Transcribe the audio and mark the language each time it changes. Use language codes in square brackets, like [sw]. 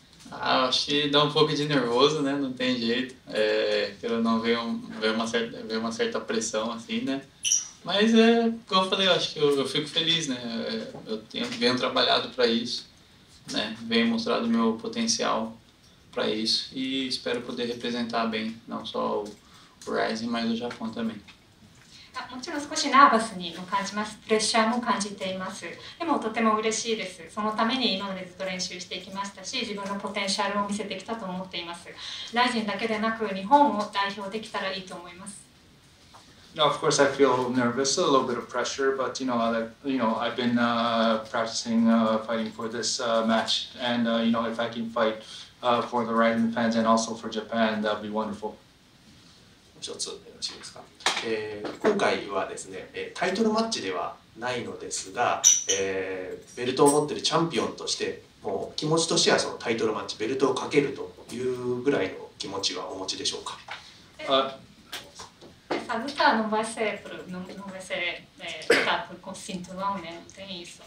[pt] Ah, acho que dá um pouco de nervoso, né? Não tem jeito. É, pelo não ver, ver uma certa pressão, assim, né? Mas, é, como eu falei, eu acho que eu fico feliz, né? Eu venho trabalhado para isso, né? Venho mostrado meu potencial para isso e espero poder representar bem, não só o Rizin, mas o Japão também. [ja] もちろん少しナーバスにも感じます。プレッシャーも感じています。でもとても嬉しいです。そのために今までずっと練習してきましたし、自分のポテンシャルを見せてきたと思っています。ライジンだけでなく日本を代表できたらいいと思います。 [en] No, of course, I feel nervous, a little bit of pressure, but you know, I've been practicing fighting for this match, and you know, if I can fight for the Rizin fans and also for Japan, that'd be wonderful. [ja] 一つよろしいですか、今回はですね、タイトルマッチではないのですが、ベルトを持っているチャンピオンとしてもう気持ちとしてはそのタイトルマッチベルトをかけるというぐらいの気持ちはお持ちでしょうか。 [pt] Essa luta não vai ser luta com cinturão, né? Não tem isso.